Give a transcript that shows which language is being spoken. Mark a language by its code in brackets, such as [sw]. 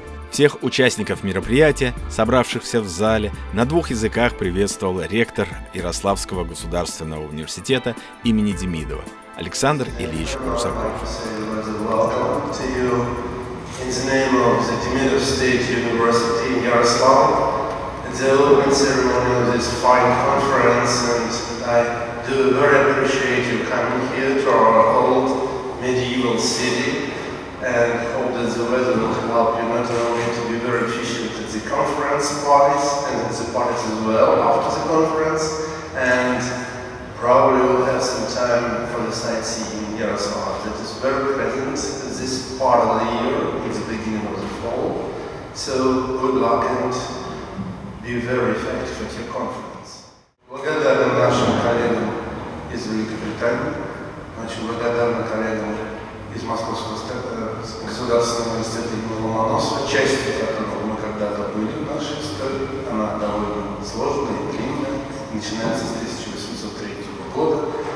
[ru] Всех участников мероприятия, собравшихся в зале, на двух языках приветствовал ректор Ярославского государственного университета имени Демидова Александр Ильич Русаков. [en] And hope that the weather will help you not only to be very efficient at the conference parties and at the parties as well after the conference, and probably we'll have some time for the sightseeing in Yaroslav that is very present this part of the year, in the beginning of the fall. So good luck and be very effective at your conference. [ru] Благодарю нашим коллегам из Великобритании, очень благодарна коллегам из Московского государственного университета имени Ломоносова, часть которого мы когда-то были в нашей истории, она довольно сложная и длинная, начинается с 1803 года.